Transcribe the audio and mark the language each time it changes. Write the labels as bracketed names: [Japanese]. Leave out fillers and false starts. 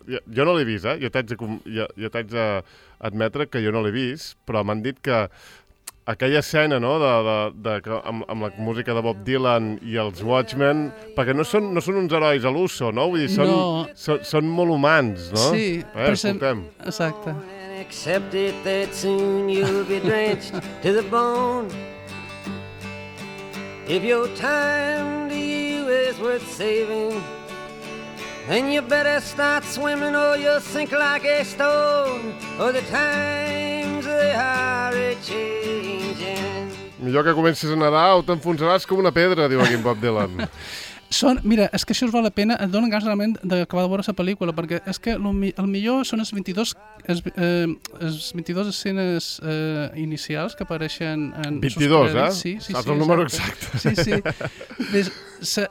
[Catalan] Jo no l'he vist, jo t'haig d'admetre que jo no l'he vist, però m'han dit que aquella escena, no?, amb la música de Bob Dylan i els Watchmen, perquè no són uns herois a l'uso, no? Vull dir, són molt humans, no? Sí, escoltem. Exacte. [English] Accept it that soon you'll be drenched to the bone. If your time to you is worth saving, And you better start swimming or you'll sink like a stone. Or the times they are a-changing. [Catalan] Millor que comencis a nedar o t'enfonsaràs com una pedra, diu aquí en Bob Dylan. Són, mira, és que això us val la pena, et donen ganes realment d'acabar de veure la pel·lícula, perquè és que el millor són els 22, els 22 escenes inicials que apareixen en... 22, eh? Sí, sí, saps sí, el número exacte. Sí, sí.